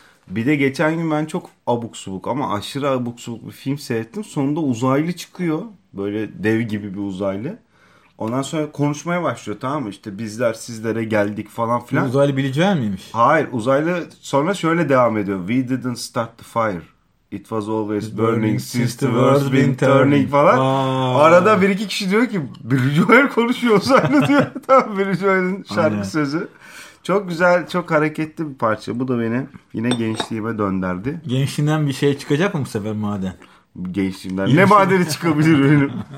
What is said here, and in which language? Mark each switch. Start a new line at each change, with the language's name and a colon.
Turkish: Bir de geçen gün ben çok abuk subuk ama aşırı abuk subuk bir film seyrettim. Sonunda uzaylı çıkıyor. Böyle dev gibi bir uzaylı. Ondan sonra konuşmaya başlıyor, tamam mı? İşte bizler sizlere geldik falan filan. Uzaylı bileceğim miymiş? Hayır, uzaylı sonra şöyle devam ediyor.
English: We didn't start the fire. It was always burning since the world's been turning
Turkish: falan. Aa. Arada bir iki kişi diyor ki, Billy Joel konuşuyor uzaylı diyor. Tamam, Billy Joel'in şarkı sözü. Çok güzel, çok hareketli bir parça. Bu da beni yine gençliğime döndürdü. Gençliğinden bir şey çıkacak mı bu sefer maden? Gençliğimden ne madeni çıkabilir benim?